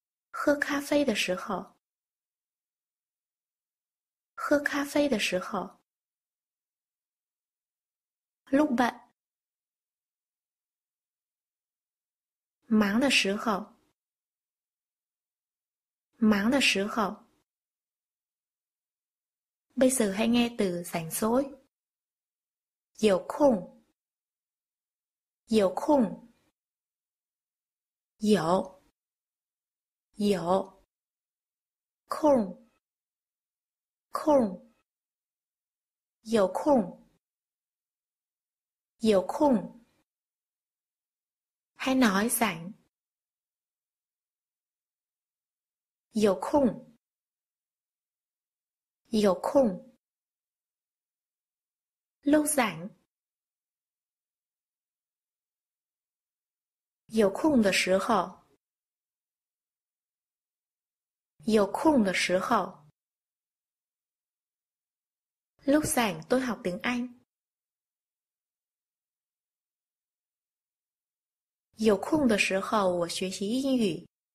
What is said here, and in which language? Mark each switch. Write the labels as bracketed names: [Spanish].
[Chinese] 喝咖啡的时候, 喝咖啡的时候, 路伴, 忙的时候, 忙的时候. [Vietnamese] Bây giờ hãy nghe từ rảnh rỗi. [Chinese] 有空.有空.有.有.空.空.有空.有空. [Vietnamese] Hãy nói rảnh. [Chinese] 有空, 有空. [Vietnamese] lâu rảnh. [Chinese] 有空的时候, 有空的时候. [Vietnamese] Lúc rảnh tôi học tiếng Anh. [Chinese] 有空的时候我学习英语.